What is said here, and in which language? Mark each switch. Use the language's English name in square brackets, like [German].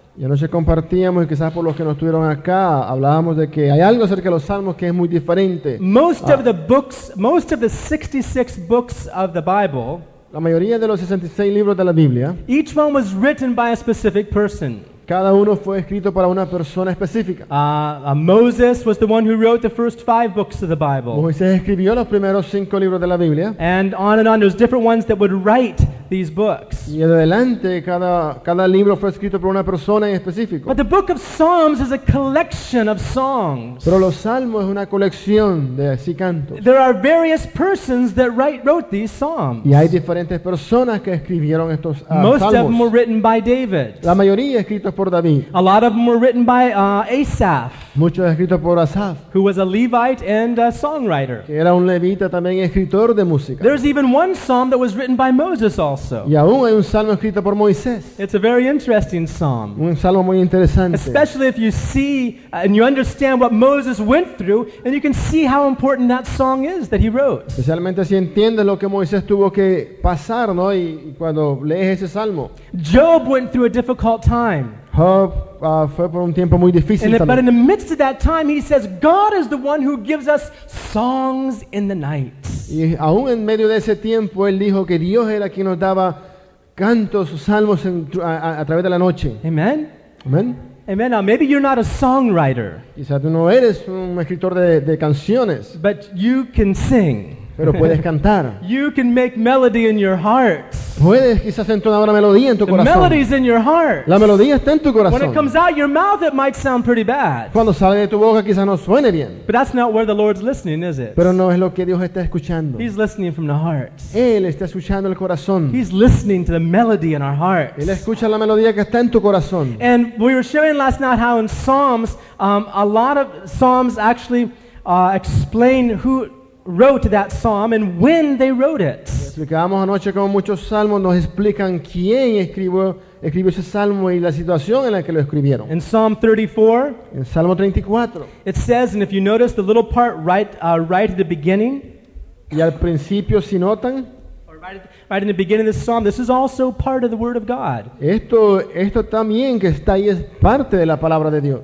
[Spanish] Y anoche compartíamos, y quizás por los que no estuvieron acá, hablábamos de que hay algo acerca de los Salmos que es muy diferente. [English] Most of the 66 books of the Bible, [Spanish] la mayoría de los 66 libros de la Biblia, [English] each one was written by a specific person. [Spanish] Cada uno fue escrito para una persona específica. [English] Moses was the one who wrote the first 5 books of the Bible. [Spanish] Moisés escribió los primeros 5 libros de la Biblia. [English] And on and on, there's different ones that would write these books. [Spanish] Y en adelante, cada libro fue escrito por una persona en específico. [English] But the book of Psalms is a collection of songs. [Spanish] Pero los Salmos es una colección de así cantos. [English] There are various persons that wrote these Psalms. [Spanish] Y hay diferentes personas que escribieron estos Salmos. [English] Most of them were written by David. [Spanish] La mayoría escritos por David. [English] A lot of them were written by Asaph. [Spanish] Muchos escritos por Asaph. [English] Who was a Levite and a songwriter. [Spanish] Que era un levita también escritor de música. [English] There's even one psalm that was written by Moses also. [Spanish] Y aún hay un salmo escrito por Moisés. [English] It's a very interesting psalm. [Spanish] Un salmo muy interesante. [English] Especially if you see and you understand what Moses went through, and you can see how important that song is that he wrote. [Spanish] Especialmente si entiendes lo que Moisés tuvo que pasar, ¿no? Y cuando lees ese salmo. [English] Job went through a difficult time. [Spanish] Job fue por un tiempo muy difícil también. [English] But in the midst of that time, he says, God is the one who gives us songs in the night. [Spanish] Y aún en medio de ese tiempo, él dijo que Dios era quien nos daba cantos, salmos a través de la noche. [English] Amen. Amen. Amen. Now, maybe you're not a songwriter. [Spanish] Quizás tú no eres un escritor de canciones. [English] But you can sing. [Spanish] Pero puedes cantar. [English] You can make melody in your heart. [Spanish] Puedes quizás entonar una melodía en tu corazón. [English] The melody is in your heart. [Spanish] La melodía está en tu corazón. [English] When it comes out your mouth, it might sound pretty bad. [Spanish] Cuando sale de tu boca quizás no suene bien. [English] But that's not where the Lord's listening, is it? [Spanish] Pero no es lo que Dios está escuchando. [English] He's listening from the heart. [Spanish] Él está escuchando el corazón. [English] He's listening to the melody in our hearts. [Spanish] Él escucha la melodía que está en tu corazón. [English] And we were sharing last night how in Psalms, a lot of Psalms actually explain who wrote that psalm and when they wrote it. [Spanish] Explicamos anoche cómo muchos salmos nos explican quién escribió ese salmo y la situación en la que lo escribieron. [English] In Psalm 34, [Spanish] en Salmo 34, [English] it says, and if you notice the little part right at the beginning, [Spanish] y al principio si notan, [English] right in the beginning of this psalm, this is also part of the word of God. [Spanish] Esto también que está ahí es parte de la palabra de Dios.